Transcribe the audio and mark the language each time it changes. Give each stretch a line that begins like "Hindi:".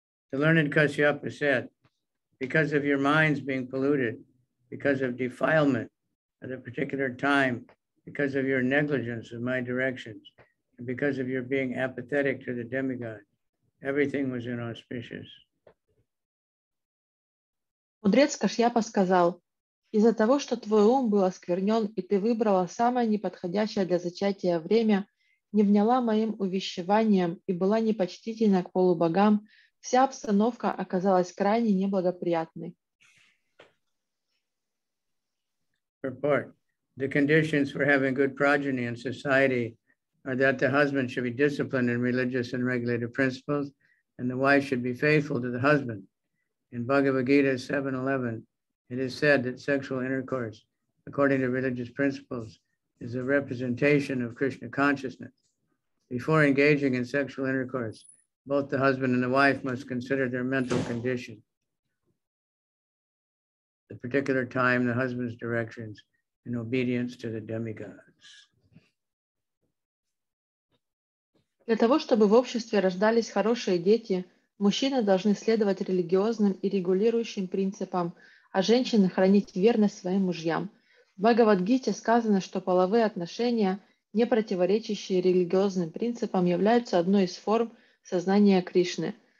English: The learned Kasyapu said, because of your minds being polluted, because of defilement at a particular time, because of your negligence of my directions, and because of your being apathetic to the demigod, everything was inauspicious.
Russian: Мудрец Кашьяпа сказал, из-за того, что твой ум был осквернен, и ты выбрала самое неподходящее для зачатия время, не вняла моим увещеваниям и была непочтительна к полубогам, вся обстановка оказалась крайне неблагоприятной.
English: Report. The conditions for having good progeny in society are that the husband should be disciplined in religious and regulated principles, and the wife should be faithful to the husband. In Bhagavad Gita 7.11, it is said that sexual intercourse, according to religious principles, is a representation of Krishna consciousness. Before engaging in sexual intercourse, both the husband and the wife must consider their mental condition, the particular time, the husband's directions, in obedience to the demigods.
Russian: Для того, чтобы в обществе рождались хорошие дети, мужчины должны следовать религиозным и регулирующим принципам, а женщины хранить верность своим мужьям. В Бхагавад-гите сказано, что половые отношения, не противоречащие религиозным принципам, являются одной из форм сознания Кришны.